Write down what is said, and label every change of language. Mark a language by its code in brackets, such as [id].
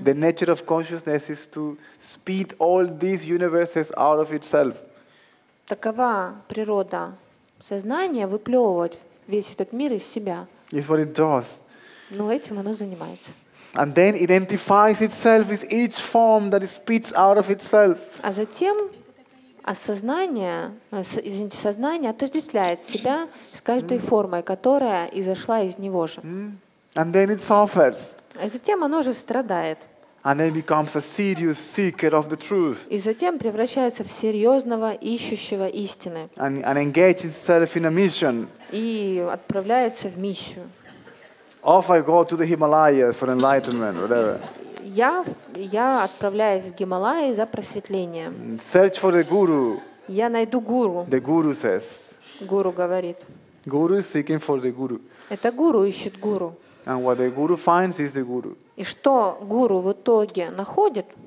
[en] The nature of consciousness is to speed all these universes out of itself. [ru] Такова природа сознания — выплевывать весь этот мир из себя. [en] It's what it does. [ru] Но этим оно занимается. [en] And then identifies itself with each form that it spits out of itself. [ru] А затем сознание отождествляет себя с каждой формой, которая изошла из него же. [en] And then it suffers. [ru] А затем оно же страдает. [en] And then becomes a serious seeker of the truth. [ru] И затем превращается в серьезного ищущего истины. [en] And engages itself in a mission. [ru] И отправляется в миссию. [en] Off I go to the Himalayas for enlightenment, whatever. [ru] Я отправляюсь в Гималаи за просветлением. [en] Search for the guru. [ru] Я найду гуру. [en] The guru says. [ru] Гуру говорит. [en] Guru is seeking for the guru. [ru] Это гуру ищет гуру. [en] And what the guru finds is the guru. [ru] И что гуру в итоге находит?